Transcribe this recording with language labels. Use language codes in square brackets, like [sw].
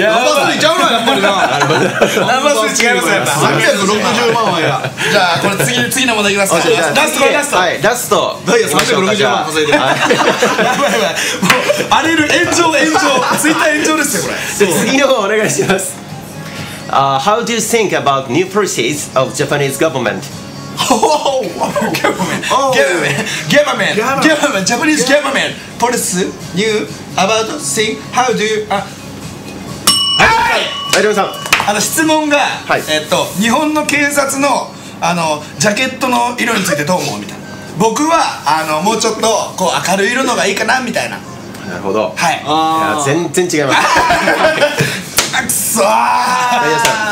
[ja] やばすぎちゃうな、やっぱりな。やばすぎ違います、やっぱ360万はや。じゃあこれ次、次の問題いきますか。ラスト、ラスト、はい、ラスト。ダイヤ360万稼いでます。やばいやばい、もう荒れる、炎上炎上、ツイッター炎上ですよ、これ。次の方お願いします。 [en] How do you think about new policies of Japanese government? Oh, government, government, government, Japanese government policy. New about think how do you? [ja] はい、大丈夫さん。あの、質問が、はい、日本の警察の、あの、ジャケットの色についてどう思うみたいな。僕は、あの、もうちょっとこう明るい色のがいいかなみたいな。なるほど。はい。あ、いや、全然違います。くっそー。ダイヤさん、